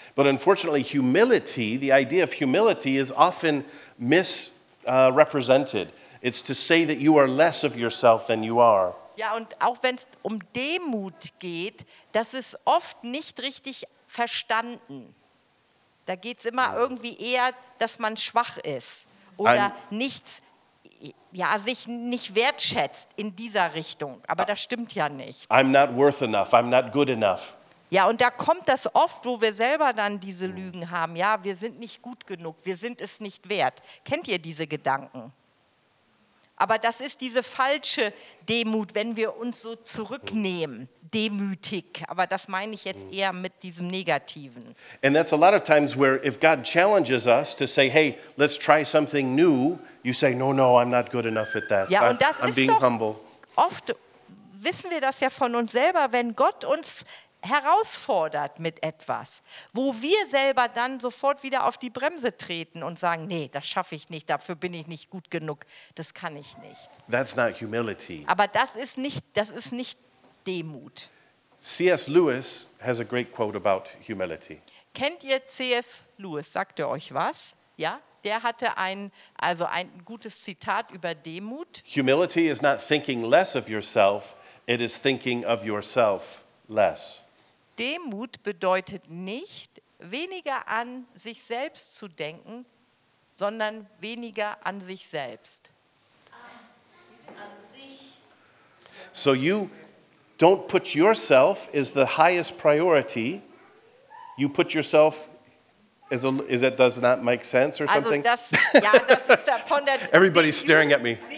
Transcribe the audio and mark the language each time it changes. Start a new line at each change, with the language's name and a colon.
English: But unfortunately, humility, the idea of humility is often misrepresented. It's to say that you are less of yourself than you are.
German: Ja, und auch wenn es um Demut geht, das ist oft nicht richtig verstanden. Da geht es immer irgendwie eher, dass man schwach ist oder nichts ja, sich nicht wertschätzt in dieser Richtung. Aber das stimmt ja nicht.
English: I'm not worth enough. I'm not good enough.
German: Ja, und da kommt das oft, wo wir selber dann diese Lügen haben. Ja, wir sind nicht gut genug. Wir sind es nicht wert. Kennt ihr diese Gedanken? Aber das ist diese falsche Demut, wenn wir uns so zurücknehmen, demütig. Aber das meine ich jetzt eher mit diesem Negativen.
English: And that's a lot of times where if God challenges us to say, hey, let's try something new, you say, no, no, I'm not good enough at that.
German: Ja, und das I'm ist being doch humble. Oft wissen wir das ja von uns selber, wenn Gott uns herausfordert mit etwas, wo wir selber dann sofort wieder auf die Bremse treten und sagen, nee, das schaffe ich nicht, dafür bin ich nicht gut genug, das kann ich nicht.
English: That's not humility.
German: Aber das ist nicht Demut.
English: C.S. Lewis has a great quote about humility.
German: Kennt ihr C.S. Lewis? Sagt er euch was? Ja, der hatte ein gutes Zitat über Demut.
English: Humility is not thinking less of yourself, it is thinking of yourself less.
German: Demut bedeutet nicht, weniger an sich selbst zu denken, sondern weniger an sich selbst.
English: So you don't put yourself as the highest priority. You put yourself as a, is that does not make sense or something?
German: Also das, ja, das ist
English: everybody's staring at me.